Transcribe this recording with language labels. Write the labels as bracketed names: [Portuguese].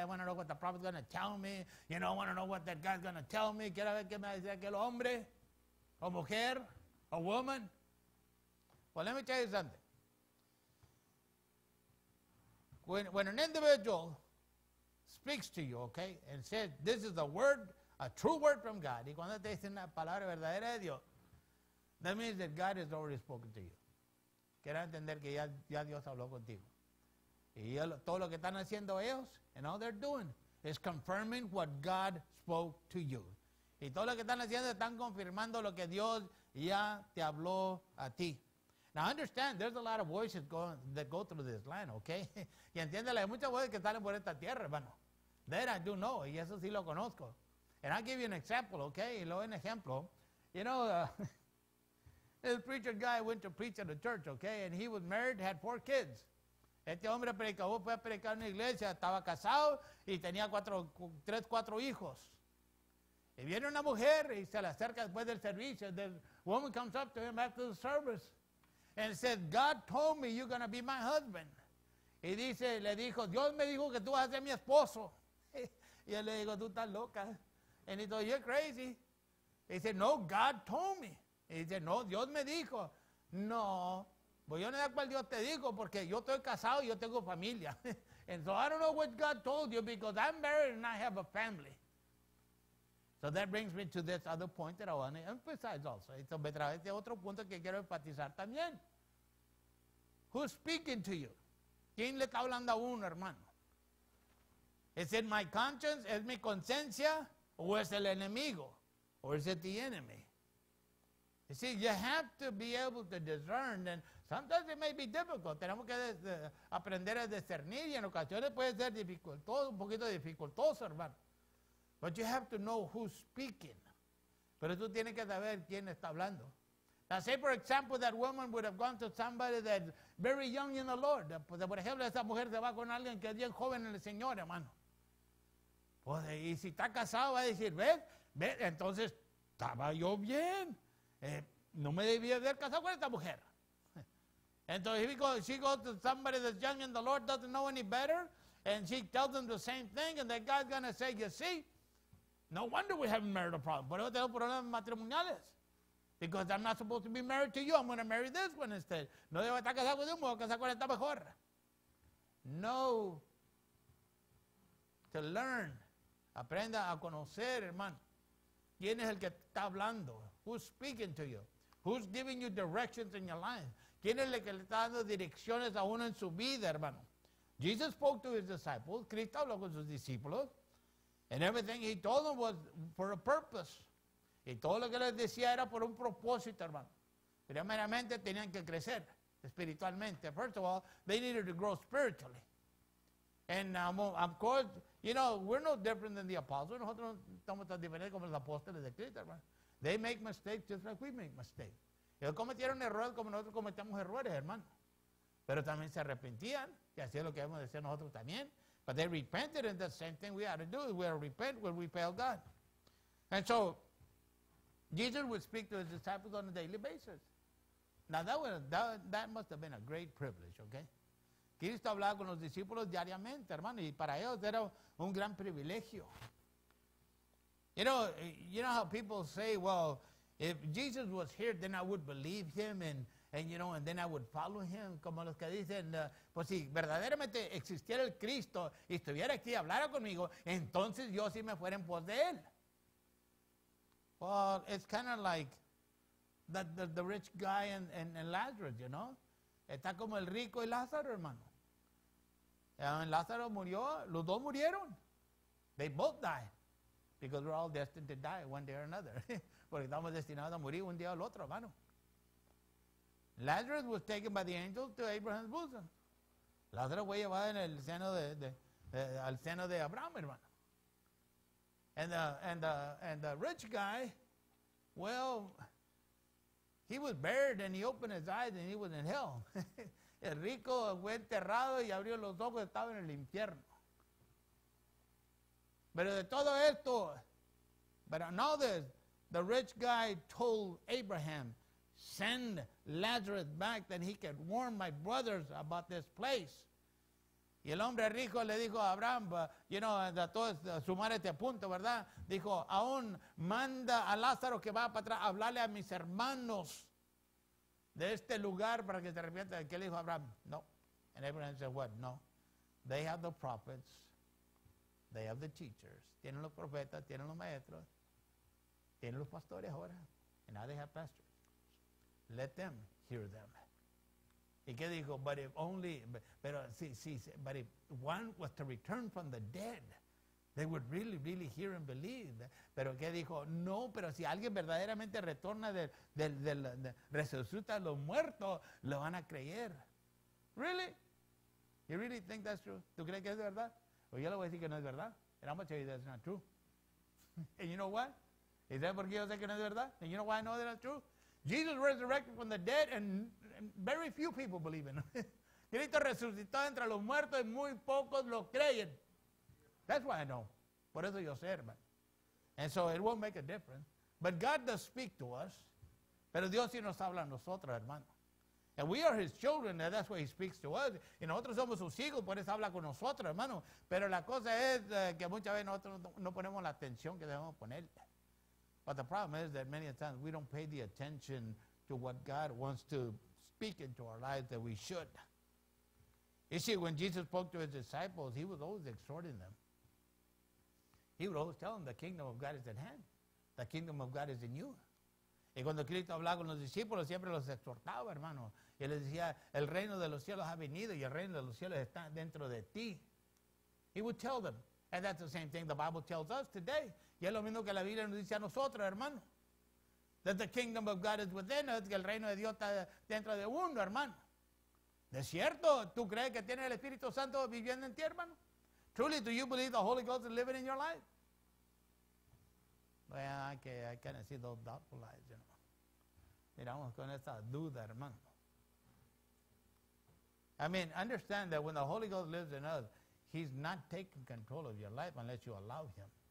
[English] I want to know what the prophet's going to tell me. You know, I want to know what that guy's going to tell me. [Spanish] Quiero ver qué me va a decir aquel hombre, o mujer, [English] o woman. Well, let me tell you something. When an individual speaks to you, okay, and says, this is the word, a true word from God. [Spanish] Y cuando te dicen una palabra verdadera de Dios, [English] that means that God has already spoken to you. [Spanish] Quiero entender que ya Dios habló contigo. Y todo lo que están haciendo ellos, [English] and all they're doing, is confirming what God spoke to you. [Spanish] Y todo lo que están haciendo, están confirmando lo que Dios ya te habló a ti. [English] Now understand, there's a lot of voices going that go through this land, okay? [Spanish] Y entiéndela, hay muchas voces que salen por esta tierra, hermano. [English] That I do know, [Spanish] y eso sí lo conozco. [English] And I'll give you an example, okay? [Spanish] Y luego un ejemplo. [English] You know, this preacher guy went to preach at a church, okay? And he was married, had 4 kids. [Spanish] Este hombre predicó, fue a predicar en una iglesia, estaba casado y tenía 4 hijos. Y viene una mujer y se le acerca después del servicio. [English] The woman comes up to him after the service and says, God told me you're going to be my husband. [Spanish] Y dice, le dijo, Dios me dijo que tú vas a ser mi esposo. Y él le dijo, tú estás loca. [English] And he thought, you're crazy. He said, no, God told me. He said, no, [Spanish] Dios me dijo. [English] No. [Spanish] Pues yo no sé cuál Dios te dijo, porque yo estoy casado y yo tengo familia. [English] And so I don't know what God told you, because I'm married and I have a family. So that brings me to this other point that I want to emphasize also. [Spanish] Esto me trae este otro punto que quiero enfatizar también. [English] Who's speaking to you? [Spanish] ¿Quién le está hablando a uno, hermano? [English] Is it my conscience? [Spanish] ¿Es mi conciencia? ¿O es el enemigo? ¿O es el enemigo? [English] You see, you have to be able to discern, and sometimes it may be difficult. [Spanish] Tenemos que aprender a discernir, y en ocasiones puede ser dificultoso, un poquito dificultoso, hermano. [English] But you have to know who's speaking. [Spanish] Pero tú tienes que saber quién está hablando. [English] Now, say, for example, that woman would have gone to somebody that's very young in the Lord. [Spanish] Por ejemplo, esa mujer se va con alguien que es bien joven en el Señor, hermano. Pues, y si está casado, va a decir, ¿ves? Entonces, estaba yo bien. No me debía haber casado con esta mujer. [English] Entonces, she goes to somebody that's young and the Lord doesn't know any better, and she tells them the same thing, and then God's going to say, you see, no wonder we haven't married a problem. [Spanish] Por eso tengo problemas matrimoniales. [English] Because I'm not supposed to be married to you, I'm going to marry this one instead. [Spanish] No debo estar casado con tú, me voy a casar con esta mejor. No. [English] To learn, [Spanish] aprenda a conocer, hermano, quién es el que está hablando, [English] who's speaking to you, who's giving you directions in your life, [Spanish] quién es el que le está dando direcciones a uno en su vida, hermano. [English] Jesus spoke to his disciples, [Spanish] Cristo habló con sus discípulos, [English] and everything he told them was for a purpose, [Spanish] y todo lo que les decía era por un propósito, hermano. Primeramente tenían que crecer espiritualmente, [English] first of all, they needed to grow spiritually. And of course, you know, we're no different than the apostles. [Spanish] Nosotros no estamos tan diferentes como los apóstoles de Cristo, hermano. [English] They make mistakes just like we make mistakes. [Spanish] Ellos cometieron errores como nosotros cometemos errores, hermano. Pero también se arrepentían, y así es lo que debemos decir nosotros también. [English] But they repented, and the same thing we ought to do, we ought to repent when we fail God. And so, Jesus would speak to his disciples on a daily basis. Now, that must have been a great privilege, okay? [Spanish] Cristo hablaba con los discípulos diariamente, hermano, y para ellos era un gran privilegio. [English] You know how people say, well, if Jesus was here, then I would believe him, and then I would follow him, [Spanish] como los que dicen, pues si verdaderamente existiera el Cristo y estuviera aquí y hablara conmigo, entonces yo sí me fuera en pos de él. [English] Well, it's kind of like the rich guy and Lazarus, you know? [Spanish] Está como el rico y Lázaro, hermano. Lázaro murió, los dos murieron. [English] They both died. Because we're all destined to die one day or another. [Spanish] Porque estamos destinados a morir un día o el otro, hermano. [English] Lazarus was taken by the angels to Abraham's bosom. [Spanish] Lázaro fue llevado en el seno al seno de Abraham, hermano. [English] And the rich guy, well, he was buried and he opened his eyes and he was in hell. [Spanish] El rico fue enterrado y abrió los ojos, estaba en el infierno. Pero de todo esto, [English] but on all this, the rich guy told Abraham, send Lazarus back that he can warn my brothers about this place. [Spanish] Y el hombre rico le dijo a Abraham, a todos, a sumar este punto, ¿verdad? Dijo, aún manda a Lázaro que va para atrás, hablarle a mis hermanos de este lugar para que se arrepienta. ¿Qué le dijo Abraham? [English] No. And Abraham said, what? No. They have the prophets. They have the teachers. [Spanish] Tienen los profetas, tienen los maestros. Tienen los pastores ahora. [English] And now they have pastors. Let them hear them. [Spanish] ¿Y qué dijo? [English] But if only, but if one was to return from the dead, they would really, really hear and believe. [Spanish] ¿Pero qué dijo? No, pero si alguien verdaderamente retorna de resucita a los muertos, lo van a creer. [English] Really? You really think that's true? [Spanish] ¿Tú crees que es de verdad? Pues yo le voy a decir que no es verdad. [English] And I'm going to tell you that's not true. And you know what? [Spanish] ¿Y sabes por qué yo sé que no es verdad? [English] And you know why I know that's not true? Jesus resurrected from the dead and very few people believe in him. [Spanish] Cristo resucitó entre los muertos y muy pocos lo creen. [English] That's why I know. [Spanish] Por eso yo sé, hermano. [English] And so it won't make a difference. But God does speak to us. [Spanish] Pero Dios sí nos habla a nosotros, hermano. [English] And we are his children, and that's why he speaks to us. [Spanish] Y nosotros somos sus hijos, por eso habla con nosotros, hermano. Pero la cosa es que muchas veces nosotros no ponemos la atención que debemos poner. [English] But the problem is that many times we don't pay the attention to what God wants to speak into our lives that we should. You see, when Jesus spoke to his disciples, he was always exhorting them. He would always tell them, the kingdom of God is at hand. The kingdom of God is in you. [Spanish] Y cuando Cristo hablaba con los discípulos, siempre los exhortaba, hermano. Y les decía, el reino de los cielos ha venido y el reino de los cielos está dentro de ti. [English] He would tell them. And that's the same thing the Bible tells us today. [Spanish] Y es lo mismo que la Biblia nos dice a nosotros, hermano. [English] That the kingdom of God is within us, [Spanish] que el reino de Dios está dentro de uno, hermano. ¿De cierto? ¿Tú crees que tienes el Espíritu Santo viviendo en ti, hermano? [English] Truly, do you believe the Holy Ghost is living in your life? Well, I kind of see those doubtful eyes, you know. [Spanish] Miramos con esa duda, hermano. [English] I mean, understand that when the Holy Ghost lives in us, he's not taking control of your life unless you allow him.